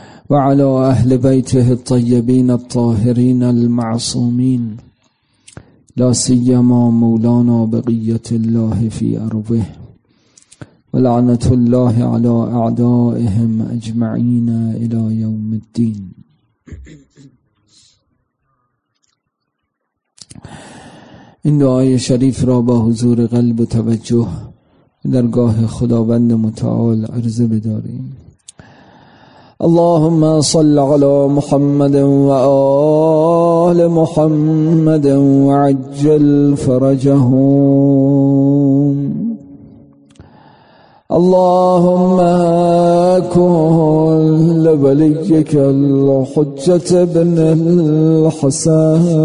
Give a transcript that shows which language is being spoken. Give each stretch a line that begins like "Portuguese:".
Arabic: وعلى أهل بيته الطيبين الطاهرين المعصومين لا سيما مولانا بقية الله في أرضه ولعنة الله على أعدائهم أجمعين إلى يوم الدين.
Persian: إن دعاي شريف را با حضور قلب توجه درگاه خداوند متعال عرض بداریم.
Arabic: اللهم صل على محمد وآل محمد وعجل فرجهم. اللهم كن لوليك الحجة ابن الحسن